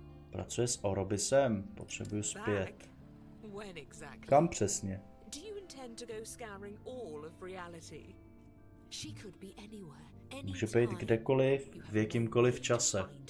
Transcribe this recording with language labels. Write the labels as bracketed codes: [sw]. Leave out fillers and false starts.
[cs] Pracuje s Orobisem, potřebuju zpět. Kam přesně? [en] Tend to go scouring all of reality. She could be anywhere, anytime. [cs] Může být kdekoliv, v jakýmkoliv čase.